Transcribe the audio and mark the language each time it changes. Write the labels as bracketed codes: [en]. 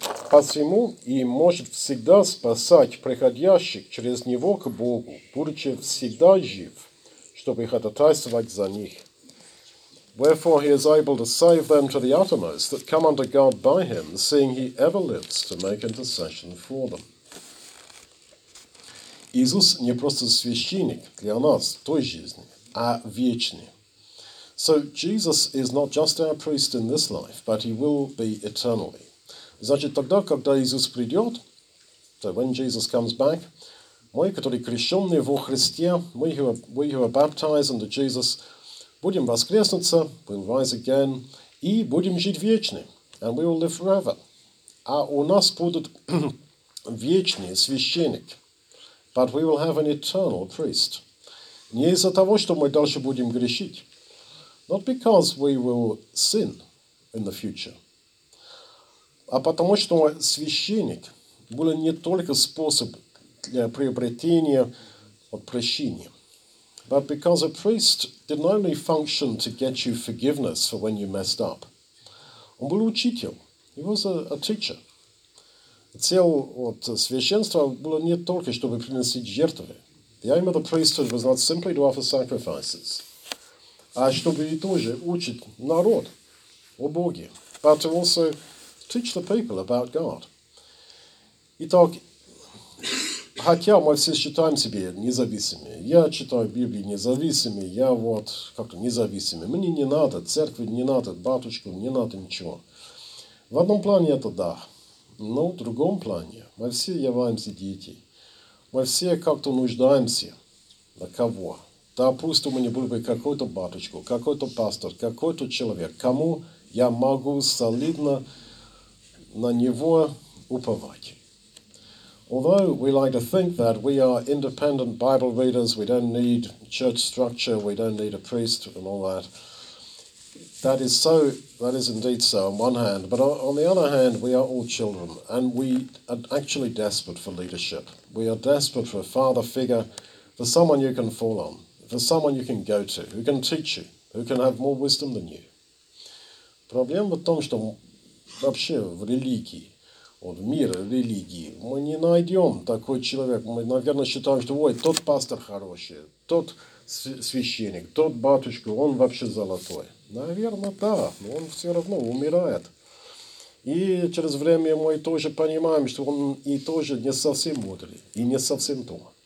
[ru] Посему и может всегда спасать приходящих через него к Богу, будучи всегда жив, чтобы ходатайствовать за них. [en] Wherefore he is able to save them to the uttermost that come unto God by him, seeing he ever lives to make intercession for them. [ru] Иисус не просто священник для нас той жизни, а вечный. [en] So Jesus is not just our priest in this life, but he will be eternally. [ru] Значит, тогда, когда Иисус придет, [en] so when Jesus comes back, [ru] мы, которые крещенные во Христе, [en] we who are baptized under Jesus, [ru] будем воскреснуться, [en] we'll rise again, [ru] и будем жить вечно, [en] and we will live forever. [ru] А у нас будет вечный священник, [en] but we will have an eternal priest. [ru] Не из-за того, что мы дальше будем грешить, [en] not because we will sin in the future, [ru] а потому что священник был не только способ для приобретения прощения. [en] but because a priest didn't only function to get you forgiveness for when you messed up. [ru] Он был учитель, [en] he was a teacher. [ru] Цель от священства была не только, чтобы принести жертвы. [en] The aim of the priesthood was not simply to offer sacrifices, [ru] а чтобы и тоже учить народ о Боге, [en] but to also teach the people about God. [ru] Итак, хотя мы все считаем себя независимыми, я читаю Библию независимыми, я вот как-то независимый, мне не надо церкви, не надо батюшку, не надо ничего. В одном плане это да, но в другом плане мы все являемся детьми. Мы все как-то нуждаемся на кого. Допустим, у меня был бы какой-то батюшка, какой-то пастор, какой-то человек, кому я могу солидно на него уповать. [en] Although we like to think that we are independent Bible readers, we don't need church structure, we don't need a priest and all that, that is indeed so on one hand, but on the other hand, we are all children and we are actually desperate for leadership. We are desperate for a father figure, for someone you can fall on, for someone you can go to, who can teach you, who can have more wisdom than you. [ru] Проблема в том, что вообще в религии, вот мир религии, мы не найдем такой человек. Мы, наверное, считаем, что ой, тот пастор хороший, тот священник, тот батюшка, он вообще золотой. Наверное, да, но он все равно умирает. И через время мы тоже понимаем, что он и тоже не совсем мудрый, и не совсем то.